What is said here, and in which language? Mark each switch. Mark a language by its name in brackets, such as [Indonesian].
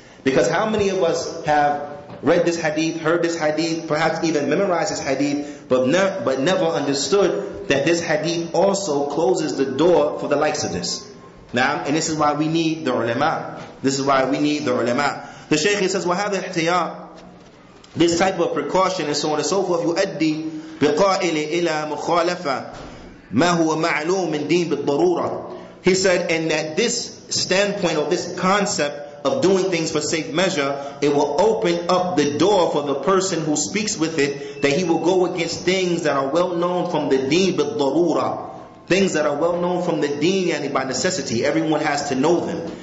[English] Because how many of us have read this hadith, heard this hadith, perhaps even memorized this hadith, but never understood that this hadith also closes the door for the likes of this. Now, and this is why we need the ulama. This is why we need the ulama. The Shaykh, he says, [Arabic] وَهَذَا الْإِحْتِيَاطِ. [English] This type of precaution and so on and so forth, [Arabic] يؤدي بقائل إلى مخالفة ما هو معلوم من دين بالضرورة. [English] He said, and that this standpoint or this concept of doing things for safe measure, it will open up the door for the person who speaks with it, that he will go against things that are well known from the deen بالضرورة. Things that are well known from the deen, yani, by necessity. Everyone has to know them.